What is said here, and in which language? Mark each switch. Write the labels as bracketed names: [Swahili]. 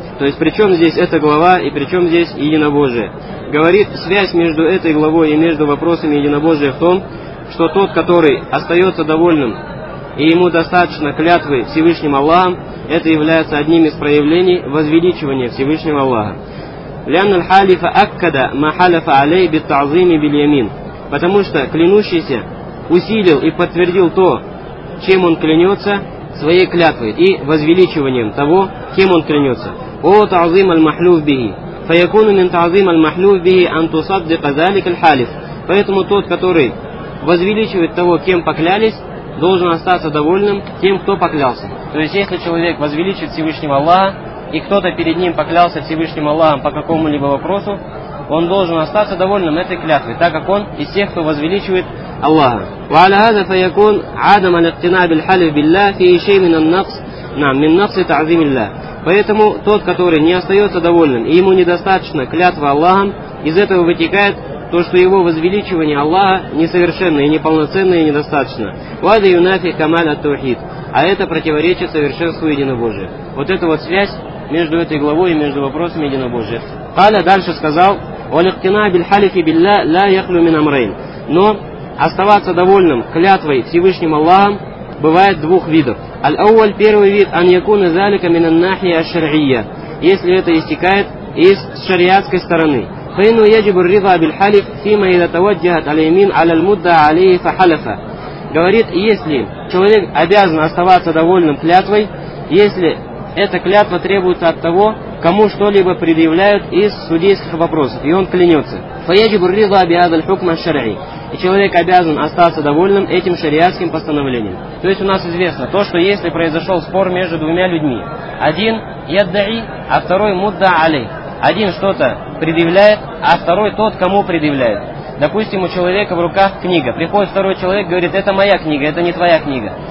[Russian] То есть, при чем здесь эта глава и при чем здесь единобожие? Говорит, связь между этой главой и между вопросами единобожия в том, что тот, который остается довольным и ему достаточно клятвы Всевышним Аллахом, это является одним из проявлений возвеличивания Всевышнего Аллаха. [Arabic] لأن الحالف أكد ما حلف عليه بالتعظيم باليمين. [Russian] Потому что клянущийся усилил и подтвердил то, чем он клянется, своей клятвой и возвеличиванием того, кем он клянется. О [Arabic] تعظيم المحلوف به. فيكون من تعظيم المحلوف به أن تصدق ذلك الحالف. [Russian] Поэтому тот, который возвеличивает того, кем поклялись, должен остаться довольным тем, кто поклялся. То есть, если человек возвеличит Всевышнего Аллаха, и кто-то перед ним поклялся Всевышним Аллахом по какому-либо вопросу, он должен остаться довольным этой клятвой, так как он из тех, кто возвеличивает Аллаха. [Arabic] وعلى هذا فيكون عدم الاقتناع بالحلف بالله فيه شيء من النقص نعم من نقص تعظيم الله. [Russian] Поэтому тот, который не остается довольным, и ему недостаточно клятва Аллахом, из этого вытекает то, что его возвеличивание Аллаха несовершенно и неполноценно и недостаточно. [Arabic] وَذَا يُنَافِي كَمَالَ التَّوْحِيدِ. [Russian] А это противоречит совершенству единобожия. Вот эта вот связь между этой главой и между вопросами единобожия. Каля дальше сказал, [Arabic] وَلِقْتِنَا بِالْحَلِفِ بِاللَّهِ لَا يَخْلُوا مِنْ أَمْرَيْنِ. [Russian] Но оставаться довольным клятвой Всевышним Аллахом бывает двух видов. [Arabic] الأول, [Russian] первый вид, [Arabic] أن يكون ذلك من الناحية الشرعية. [Russian] Если это истекает из шариатской стороны. [Arabic] فإنه يجب الرضا بالحلف فيما إذا توجهت اليمين على المدة عليه فحلف. [Russian] Говорит, если человек обязан оставаться довольным клятвой, если эта клятва требуется от того, кому что-либо предъявляют из судейских вопросов, и он клянется. [Arabic] فيجب الرضا بهذا الحكم الشرعي. [Russian] И человек обязан остаться довольным этим шариатским постановлением. То есть у нас известно то, что если произошел спор между двумя людьми, один يدعي, а второй مدعى عليه. Один что-то предъявляет, а второй тот, кому предъявляет. Допустим, у человека в руках книга. Приходит второй человек, говорит, это моя книга, это не твоя книга.